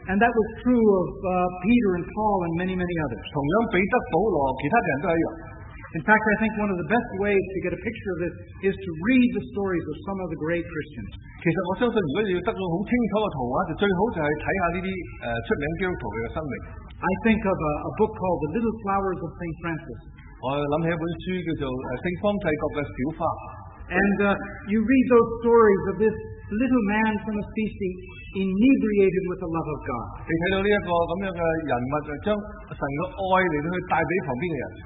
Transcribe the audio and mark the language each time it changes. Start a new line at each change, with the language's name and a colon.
English: And that was true of Peter and Paul and many, many others.
Cantonese: 同樣，彼得、保羅，其他人都一樣。
English: In fact, I think one of the best ways to get a picture of this is to read the stories of some of the great Christians.
Cantonese: 其實我相信，如果你要得到好清楚嘅圖畫，就最好就係睇下呢啲出名基督徒嘅生命。
English: I think of a book called The Little Flowers of St. Francis.
Cantonese: 我諗起一本書叫做《聖方濟各嘅小花》。
English: And you read those stories of this little man from a species inebriated with the love of God.
Cantonese: 你睇到呢一個咁樣嘅人物，就將神嘅愛嚟到去帶俾旁邊嘅人。